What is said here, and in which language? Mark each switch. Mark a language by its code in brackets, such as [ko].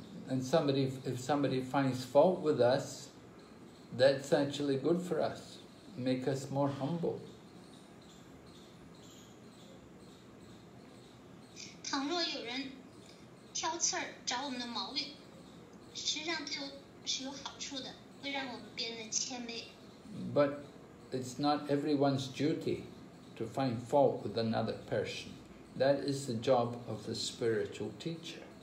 [en] And if somebody finds fault with us, that's actually good for us, make us more humble. [zh] 倘若有人挑刺儿找我们的毛病，实际上对我是有好处的，会让我们变得谦卑。 [en] But it's not everyone's duty to find fault with another person. That is the job of the spiritual teacher.